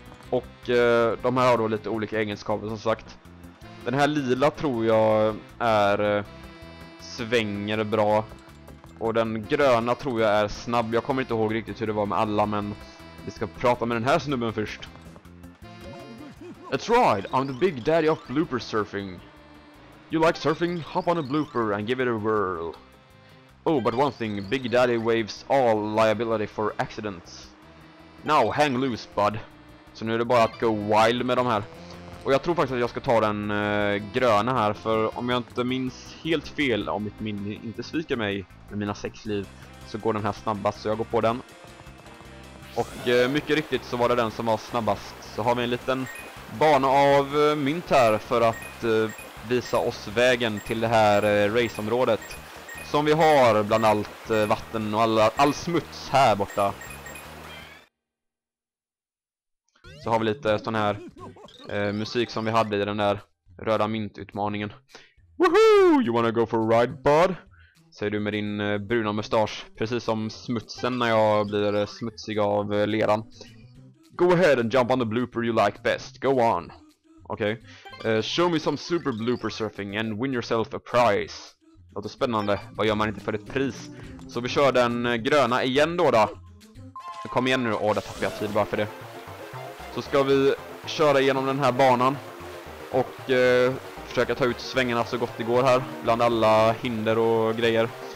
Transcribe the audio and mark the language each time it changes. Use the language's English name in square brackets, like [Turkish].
[Swedish] Och de här har då lite olika egenskaper som sagt. Den här lila tror jag är svänger bra. Och den gröna tror jag är snabb. Jag kommer inte ihåg riktigt hur det var med alla, men vi ska prata med den här snubben först. [English] That's right, I'm the big daddy of blooper surfing. You like surfing? Hop on a blooper and give it a whirl. Oh, but one thing, Big Daddy waives all liability for accidents. Now hang loose, bud. [Swedish] Så nu är det bara att [English] go wild [Swedish] med de här. Och jag tror faktiskt att jag ska ta den gröna här, för om jag inte minns helt fel, om mitt minne inte sviker mig med mina sex liv, så går den här snabbast, så jag går på den. Och mycket riktigt så var det den som var snabbast. Så har vi en liten bana av mynt här för att visa oss vägen till det här raceområdet som vi har bland allt vatten och all smuts här borta. Så har vi lite sån här musik som vi hade i den där röda myntutmaningen. Woohoo! [English] You wanna go for a ride, bud? [Swedish] Säger du med din bruna mustasch, precis som smutsen när jag blir smutsig av leran. [English] Go ahead and jump on the blooper you like best. Go on. [Swedish] Okej. [English] Show me some super blooper surfing and win yourself a prize. [Swedish] Låter spännande. Vad gör man inte för ett pris? Så vi kör den gröna igen då. Kom igen nu. Åh, där tappade jag tid bara för det. Så ska vi köra igenom den här banan. Och försöka ta ut svängarna så gott det går här. Bland alla hinder och grejer.